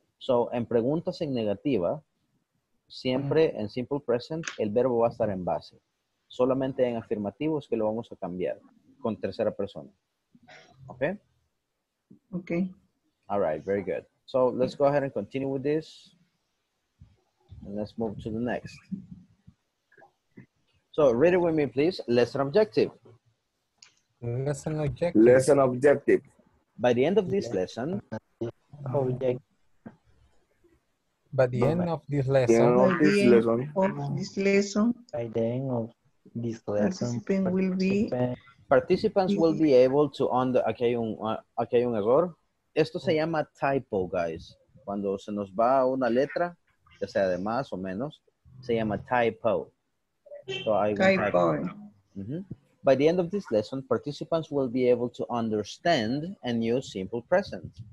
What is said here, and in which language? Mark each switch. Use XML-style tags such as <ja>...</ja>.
<es>So, en preguntas en negativa, siempre en simple present, el verbo va a estar en base. Solamente en afirmativo es que lo vamos a cambiar con tercera persona.</es> <en>Okay? Okay. All right, very good. So, let's go ahead and continue with this. And let's move to the next. So, read it with me, please. Lesson objective. Lesson objective. Lesson objective. By the end of this lesson. By the end of this lesson. By the end of this lesson. By the end of this lesson. Participant will be. Participants will be able to.</en> <es>Aquí hay un error. Esto se llama typo, guys. Cuando se nos va una letra, ya sea de más o menos, se llama typo.</es> <en>So I typo. Mm-hmm. By the end of this lesson, participants will be able to understand and use simple present.</en>